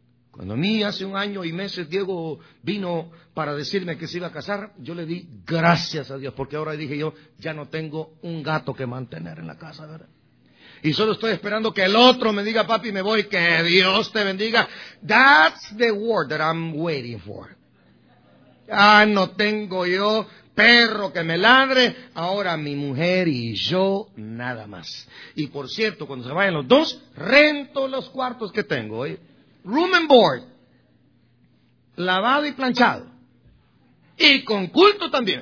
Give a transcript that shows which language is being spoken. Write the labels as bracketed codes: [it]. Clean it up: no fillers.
[es] Cuando a mí hace un año y meses Diego vino para decirme que se iba a casar, yo le di gracias a Dios, porque ahora dije yo, ya no tengo un gato que mantener en la casa, ¿verdad? Y solo estoy esperando que el otro me diga, papi, me voy, que Dios te bendiga. [en] That's the word that I'm waiting for. [es] Ah, no tengo yo perro que me ladre. Ahora mi mujer y yo nada más. Y por cierto, cuando se vayan los dos, rento los cuartos que tengo. [en] Room and board. [es] Lavado y planchado. Y con culto también.